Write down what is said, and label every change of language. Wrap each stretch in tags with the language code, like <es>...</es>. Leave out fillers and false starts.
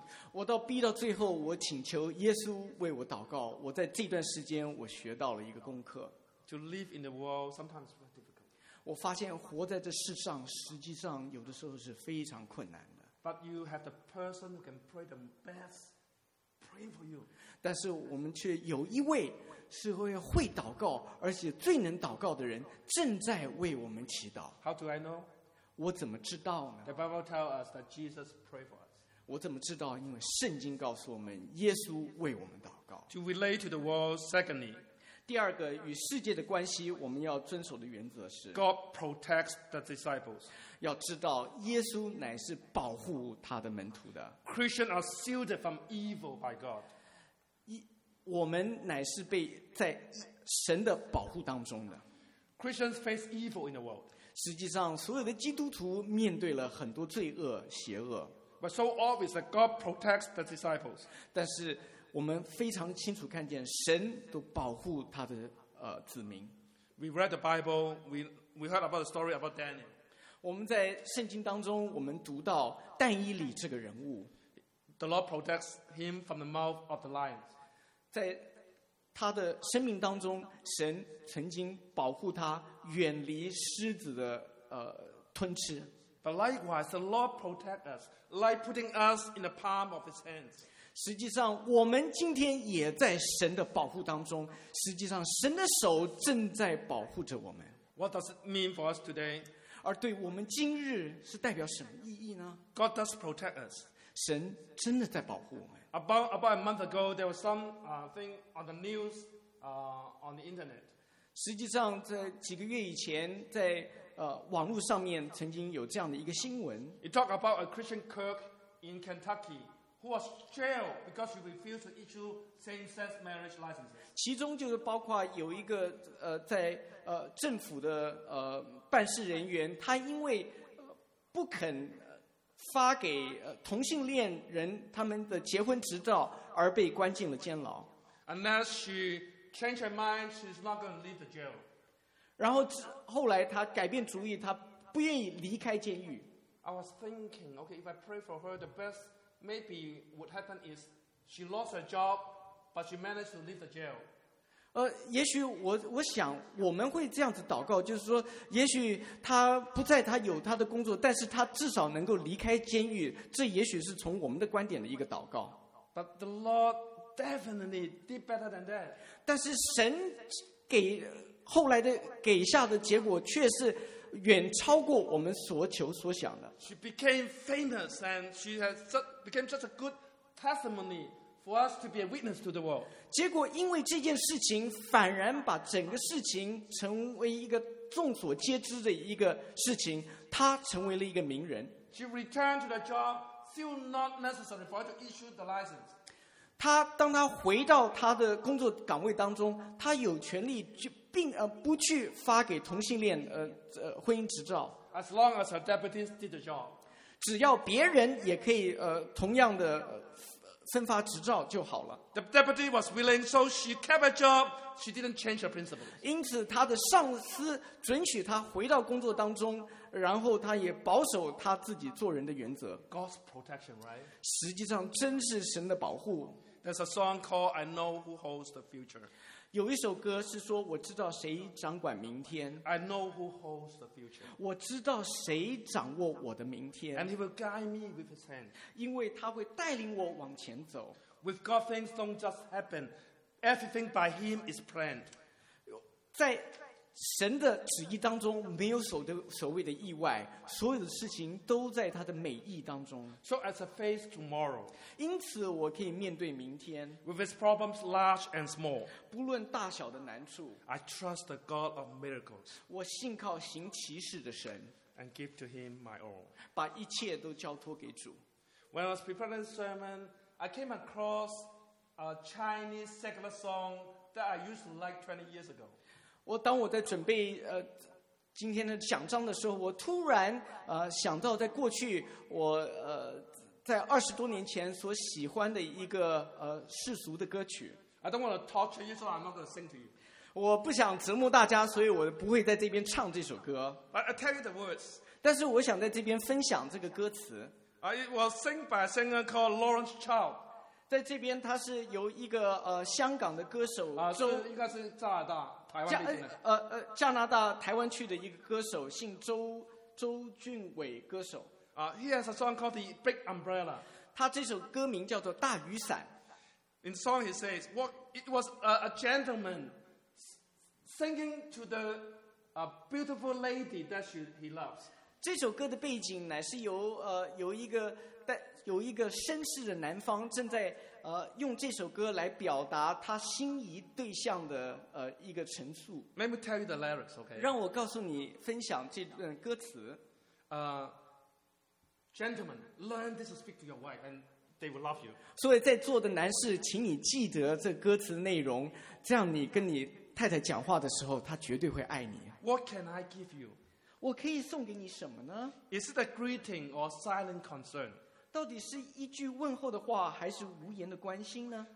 <zh>我到逼到最后，我请求耶稣为我祷告。我在这段时间，我学到了一个功课。</zh> <en>To live in the world sometimes very difficult.</en> <zh>我发现活在这世上，实际上有的时候是非常困难的。</zh> <en>But you have the person who can pray the best, pray for you.</en> <zh>但是我们却有一位是会祷告，而且最能祷告的人，正在为我们祈祷。</zh> <en>How do I know?</en> <zh>我怎么知道呢</zh> <en>？The Bible tells us that Jesus prayed for us.</en> <zh>我怎么知道？因为圣经告诉我们，耶稣为我们祷告。</zh> <en>To relate to the world, secondly,</en> <zh>第二个与世界的关系，我们要遵守的原则是</zh> <en>God protects the disciples.</en> <zh>要知道，耶稣乃是保护他的门徒的。</zh> <en>Christians are shielded from evil by God.</en> <zh>我们乃是被在神的保护当中的。</zh> <en>Christians face evil in the world.</en> <zh>实际上，所有的基督徒面对了很多罪恶、邪恶。</zh> <en>But so obvious that God protects the disciples.</en> <zh>但是我们非常清楚看见神都保护他的子民。</zh> <en>We read the Bible. We heard about the story about Daniel.</en> <zh>我们在圣经当中，我们读到但以理这个人物。</zh> <en>The Lord protects him from the mouth of the lions.</en> <zh>在他的生命当中，神曾经保护他远离狮子的吞吃。</zh> <en>But likewise, the Lord protects us, like putting us in the palm of His hands.</en> <zh>实际上，我们今天也在神的保护当中。实际上，神的手正在保护着我们。</zh> <en>What does it mean for us today?</en> <zh>而对我们今日是代表什么意义呢</zh> <en>？God does protect us.</en> <zh>神真的在保护我们。</zh> <en>About a month ago, there was something on the news, on the internet.</en> <zh>实际上在几个月以前在网络上面曾经有这样的一个新闻。</zh> <en>It talked about a Christian clerk in Kentucky who was jailed because he refused to issue same-sex marriage licenses.</en> <zh>其中就是包括有一个在政府的办事人员，他因为不肯发给同性恋人他们的结婚执照而被关进了监牢。</zh> <en>Unless she changed her mind, she's not going to leave the jail.</en> <zh>然后后来他改变主意，他不愿意离开监狱。</zh> <en>I was thinking, okay, if I pray for her, the best maybe would happen is she lost her job, but she managed to leave the jail.</en> <zh>也许我想我们会这样子祷告，就是说也许他不在他有他的工作，但是他至少能够离开监狱，这也许是从我们的观点的一个祷告。</zh> <en>But the Lord definitely did better than that.</en> <zh>但是神给后来的给下的结果却是远超过我们所求所想的。</zh> <en>She became famous and she has became such a good testimony for us to be a witness to the world.</en> <zh>结果因为这件事情反然把整个事情成为一个众所皆知的一个事情，她成为了一个名人。</zh> <en>She returned to the job still not necessary for her to issue the license.</en> <zh>她当她回到她的工作岗位当中，她有权利就并不去发给同性恋婚姻执照。</zh> <en>As long as her deputies did the job.</en> <zh>只要别人也可以同样的分发执照就好了。</zh> <en>The deputy was willing, so she kept her job. She didn't change her principles.</en> <zh>因此她的上司准许她回到工作当中，然后她也保守她自己做人的原则。</zh> <en>God's protection, right?</en> <zh>实际上真是神的保护。</zh> <en>There's a song called I Know Who Holds the Future.</en> <zh>有一首歌是说我知道谁掌管明天。</zh> <en>I Know Who Holds the Future.</en> <zh>我知道谁掌握我的明天。</zh> <en>And He will guide me with His hand.</en> <zh>因为他会带领我往前走。</zh> <en>With God, things don't just happen. Everything by Him is planned.</en> <zh>在神的旨意当中没有所谓的意外，所有的事情都在他的美意当中。</zh> <en>So as a face tomorrow,</en> <zh>因此我可以面对明天。</zh> <en>With his problems large and small,</en> <zh>不论大小的难处。</zh> <en>I trust the God of miracles,</en> <zh>我信靠行奇事的神。</zh> <en>And give to him my all,</en> <zh>把一切都交托给主。</zh> <en>When I was preparing the sermon, I came across a Chinese secular song that I used to like 20 years ago.</en> <zh>我当我在准备今天的讲章的时候，我突然想到在过去我在二十多年前所喜欢的一个世俗的歌曲。</zh> <en>I don't want to torture you, so I'm not going to sing to you.</en> <zh>我不想折磨大家，所以我不会在这边唱这首歌。</zh> <en>But I tell you the words.</en> <zh>但是我想在这边分享这个歌词。</zh> <en>It was sung by a singer called Lawrence Chow.</en> <zh>在这边，他是由一个香港的歌手周，应该是加拿大。加拿大台湾区的一个歌手姓周俊伟歌手。</zh> <en>He has a song called The Big Umbrella.</en> <zh>他这首歌名叫做大雨伞。</zh> <en>In the song he says, it was a gentleman singing to the beautiful lady that he loves.</en> <zh>这首歌的背景乃是由有一个绅士的男方正在用这首歌来表达他心仪对象的一个陈述。</zh> <en>Let me tell you the lyrics, okay?</en> <zh>让我告诉你分享这段歌词。</zh> <en>Gentlemen, learn this to speak to your wife, and they will love you.</en> <zh>所以在座的男士，请你记得这歌词的内容，这样你跟你太太讲话的时候，她绝对会爱你。</zh> <en>What can I give you?</en> <zh>我可以送给你什么呢</zh> <en>？Is it a greeting or silent concern?</en> <zh>到底是一句问候的话还是无言的关心呢</zh>